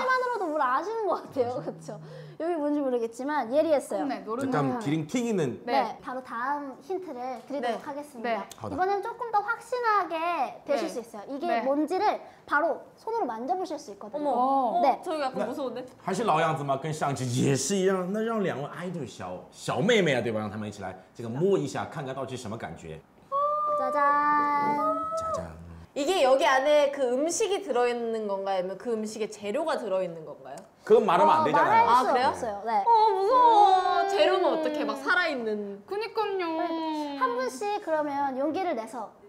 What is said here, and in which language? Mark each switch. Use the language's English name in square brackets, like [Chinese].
[Korean] 손만으로도 뭘 아시는 것 같아요. 그렇죠. 여기 뭔지 모르겠지만 예리했어요. 네, 노릇노릇. 기린 킹이는 네. 바로 다음 힌트를 드리도록 네. 하겠습니다. 네. 이번엔 조금 더 확신하게 되실 네. 수 있어요. 이게 네. 뭔지를 바로 손으로 만져보실 수 있거든요. 어머, 네. 저 약간 무서운데? [Chinese] 还是老样子吗?跟上次也是一样. 那让两位爱豆小妹妹啊，对吧？让他们一起来，这个摸一下，看看到底什么感觉？ [Korean] 짜잔. 짜잔. 이게 여기 안에 그 음식이 들어있는 건가요? 아니면 그 음식의 재료가 들어있는 건가요? 그건 말하면 안 되잖아요. 말할 수 아, 그래요? 없어요. 네. 어, 무서워. 재료는 어떻게 막 살아있는. 그니까요. 한 분씩 그러면 용기를 내서.